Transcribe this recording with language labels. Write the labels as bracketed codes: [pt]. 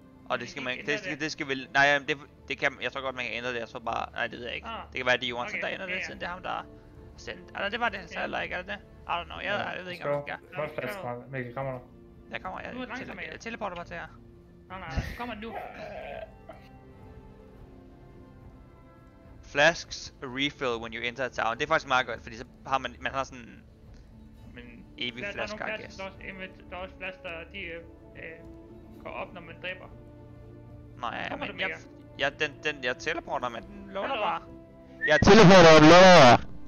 [da] Og det skal man... Det skal vel... Nej, det kan... Jeg tror godt, man kan ændre det. Jeg tror bare... Nej, det ved jeg ikke. Ah. Det kan være, at det er Johansson, okay, der ændrer det, siden det er ham, der har sendt. Eller det var det, han sagde, eller ikke? Er det det? [en] I don't know, [da] jeg ved ikke, om det skal. Mikkel, kommer du? Jeg kommer, jeg teleporter mig til her. Nej, du kommer nu. [en] Flasks refill when you enter a town. [da] Det er faktisk meget godt, fordi så har man, man har sådan en evig flask, [en] I guess. [da] Der er også flask, der de går op, når man dræber. Nå ja, men jeg teleporter, men den låner bare. Jeg teleporter, og den låner bare.